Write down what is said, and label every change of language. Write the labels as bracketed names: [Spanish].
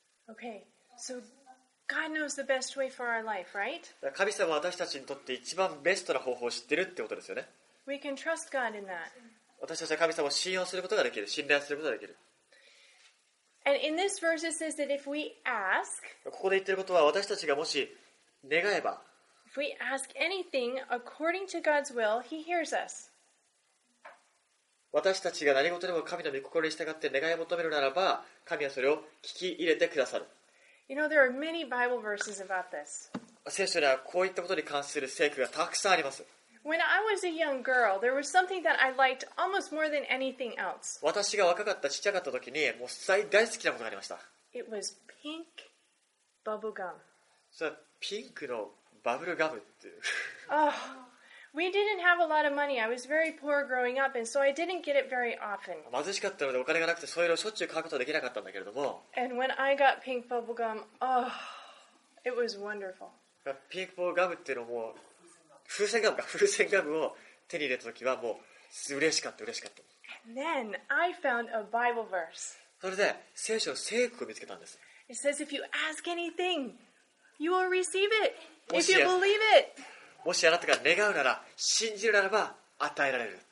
[English] Okay, so God knows the best way for our life, right? [Japanese] 神様は私たちにとって一番ベストな方法を知ってるってことですよね。 [English] We can trust God in that. [Japanese] 私たちは神様を信用することができる、信頼することができる。 [English] And in this verse it says that if we ask, [Japanese] ここで言ってることは私たちがもし願えば、 [English] if we ask anything according to God's will, He hears us. [Japanese] 私たちが何事でも神の御心に従って願い求めるならば、神はそれを聞き入れてくださる。 [English] You know, there are many Bible verses about this. [Japanese] 聖書にはこういったことに関する聖句がたくさんあります。 [English] When I was a young girl, there was something that I liked almost more than anything else. [Japanese] 私が若かった、ちっちゃかった時に、もう最大好きなことがありました。 [English] It was pink bubble gum. [Japanese] それはピンクのバブルガムっていう。 [English] Oh, we didn't have a lot of money. I was very poor growing up, and so I didn't get it very often. [Japanese] 貧しかったのでお金がなくて、そういうのをしょっちゅう買うことはできなかったんだけれども。 [English] And when I got pink bubble gum, oh, it was wonderful. [Japanese] ピンクボブガムっていうのも、風船ガムか、風船ガムを手に入れた時はもう嬉しかった、嬉しかった。 [English] And then I found a Bible verse. [Japanese] それで聖書の聖句を見つけたんです。 [English] It says if you ask anything, you will receive it if you believe it. [Japanese] もしあなたが願うなら、信じるならば与えられる。